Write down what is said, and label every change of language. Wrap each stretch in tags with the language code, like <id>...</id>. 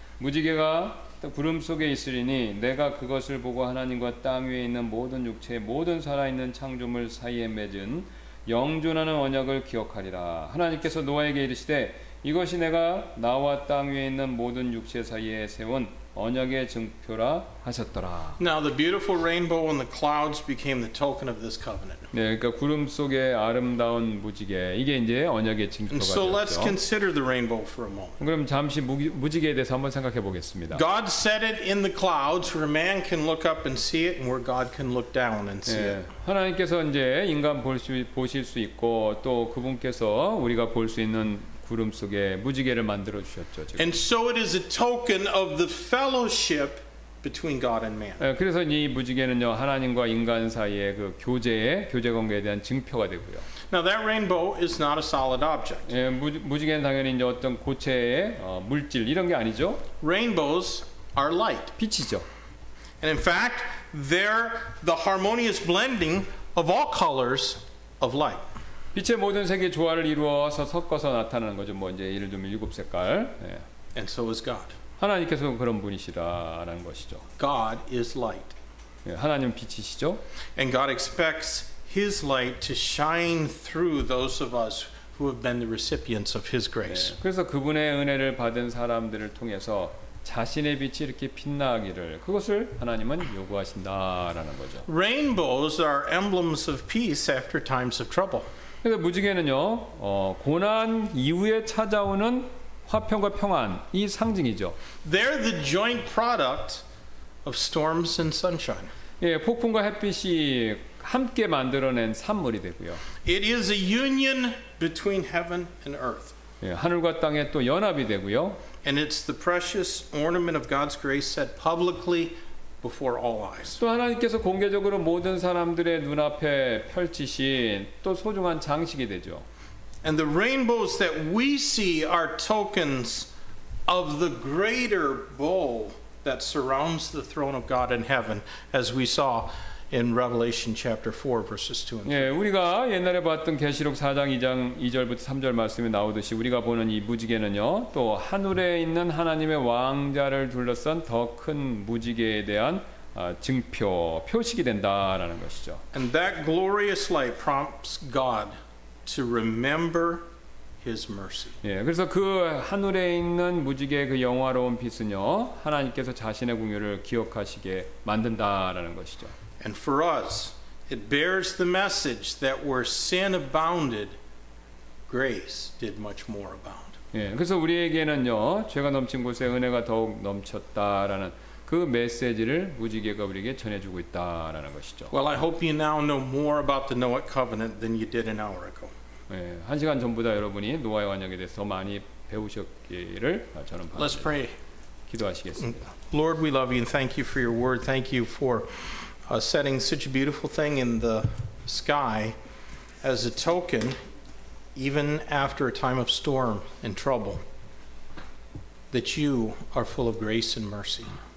<ko>무지개가 구름 속에 있으리니 내가 그것을 보고 하나님과 땅 위에 있는 모든 육체의 모든 살아있는 창조물 사이에 맺은 영존하는 언약을 기억하리라. 하나님께서 노아에게 이르시되 이것이 내가 나와 땅 위에 있는 모든 육체 사이에 세운 언약의 증표라 하셨더라.</ko> <en>Now the beautiful rainbow and the clouds became the token of this covenant.</en> <ko>네, 그러니까 구름 속의 아름다운 무지개 이게 이제 언약의 증표가 되었죠.</ko> <en>So let's consider the rainbow for a moment.</en> <ko>그럼 잠시 무지개에 대해서 한번 생각해 보겠습니다.</ko> <en>God set it in the clouds where man can look up and see it, and where God can look down and see it.</en> <ko>하나님께서 이제 인간 보실 수 있고 또 그분께서 우리가 볼 수 있는 구름 속에 무지개를 만들어 주셨죠. 지금.</ko> <en>And so it is a token of the fellowship between God and man.</en> <ko>그래서 이 무지개는요 하나님과 인간 사이의 그 교제의 교제 관계에 대한 증표가 되고요.</ko> <en>Now that rainbow is not a solid object.</en> <ko>무지개는 당연히 이제 어떤 고체의 물질 이런 게 아니죠.</ko> <en>Rainbows are light.</en> <ko>빛이죠.</ko> <en>And in fact, they're the harmonious blending of all colors of light.</en> <ko>빛의 모든 색의 조화를 이루어서 섞어서 나타나는 거죠. 뭐 이제 예를 들면 일곱 색깔. 예.</ko> <en>And so is God.</en> <ko>하나님께서 그런 분이시다라는 것이죠.</ko> <en>God is light.</en> <ko>예, 하나님은 빛이시죠.</ko> <en>And God expects His light to shine through those of us who have been the recipients of His grace. 예,</en> <ko>그래서 그분의 은혜를 받은 사람들을 통해서 자신의 빛이 이렇게 빛나기를 그것을 하나님은 요구하신다라는 거죠.</ko> <en>Rainbows are emblems of peace after times of trouble.</en> <ko>그래서 무지개는요 고난 이후에 찾아오는 화평과 평안 이 상징이죠.</ko> <en>They're the joint product of storms and sunshine.</en> <ko>예, 폭풍과 햇빛이 함께 만들어낸 산물이 되고요.</ko> <en>It is a union between heaven and earth.</en> <ko>예, 하늘과 땅의 또 연합이 되고요.</ko> <en>And it's the precious ornament of God's grace set publicly before all eyes.</en> <ko>또 하나님께서 공개적으로 모든 사람들의 눈앞에 펼치신 또 소중한 장식이 되죠.</ko> <en>And the rainbows that we see are tokens of the greater bowl that surrounds the throne of God in heaven as we saw in Revelation chapter 4 verses 2 and 3.</en> <ko>예, 우리가 옛날에 봤던 계시록 4장 2장 2절부터 3절 말씀에 나오듯이 우리가 보는 이 무지개는요. 또 하늘에 있는 하나님의 왕좌를 둘러싼 더 큰 무지개에 대한 증표, 표식이 된다라는 것이죠.</ko> <en>And that glorious light prompts God to remember His mercy.</en> <ko>예, 그래서 그 하늘에 있는 무지개 그 영화로운 빛은요. 하나님께서 자신의 궁휼을 기억하시게 만든다라는 것이죠.</ko> <en>And for us, it bears the message that where sin abounded, grace did much more abound.</en> <ko>예, 그래서 우리에게는요, 죄가 넘친 곳에 은혜가 더욱 넘쳤다라는 그 메시지를 무지개가 우리에게 전해주고 있다라는 것이죠.</ko> <en>Well, I hope you now know more about the Noahic covenant than you did an hour ago.</en> <ko>예, 한 시간 전보다 여러분이 노아의 언약에 대해서 많이 배우셨기를 저는 바랍니다.</ko> <en>Let's pray.</en> <ko>기도하시겠습니다.</ko> <en>Lord, we love you and thank you for your word. Thank you for setting such a beautiful thing in the sky as a token, even after a time of storm and trouble, that you are full of grace and mercy.</en>